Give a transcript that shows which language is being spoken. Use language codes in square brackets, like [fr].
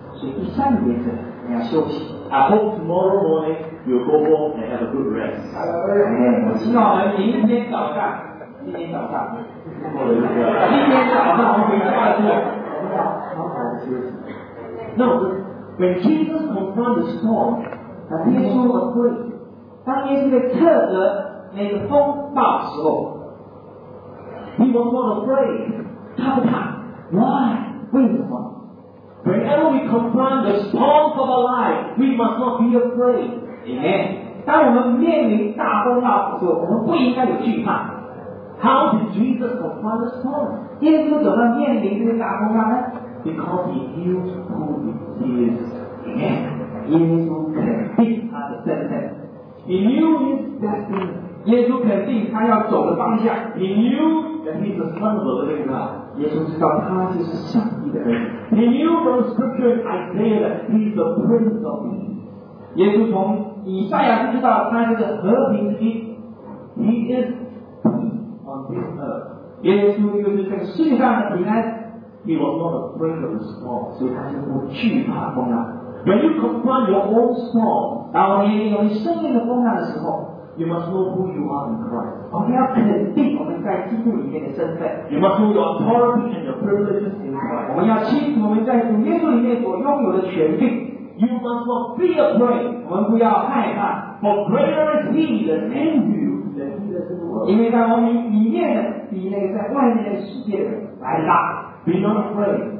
[zh] 所以第三个原则，你要休息。 [en] I hope tomorrow morning you go home and have a good rest. [zh] 我希望我们明天早上，今天早上，不好的意思，今天早上我们要做，我们要好好的休息。那我们，当耶稣克服那个风暴时候， [en] He was not afraid. [zh] 他不怕。 [en] Why? [zh] 为什么？ [en] Whenever we confront the storms of our life, we must not be afraid. Amen. [zh] 当我们面临大风暴的时候，我们不应该有惧怕。 [en] How did Jesus confront the storm? [zh] 耶稣怎么面临这个大风暴呢？ [en] Because he knew who he is. Amen. [zh] 耶稣肯定他的身份。 [en] He knew his destiny. [zh] 耶稣肯定他要走的方向。 [en] He knew that he's the son of the living God. [zh] 耶稣知道他就是上帝的儿子。 [en] He knew from scripture in Isaiah that he's the prince of peace. [zh] 耶稣从以赛亚就知道他就是和平之君。 [en] He is peace on this earth. [zh] 耶稣就是这个世界上的平安。 [en] He was not afraid of the storm, [zh] 所以他是不惧怕风浪。 [en] When you confront your own storm, [zh] 当我面临我们生命的风浪的时候。 [en] You must know who you are in Christ. [zh] 我们要肯定我们在基督里面的身份。 [en] You must know your authority and your privileges in Christ. [zh] 我们要清楚我们在主耶稣里面所拥有的权柄。 [en] You must not be afraid. [zh] 我们不要害怕。 [en] For greater is He that's in you than He that's in the world. [zh] 因为在我们里面的比那个在外面的世界的人来大。 [en] Be not afraid.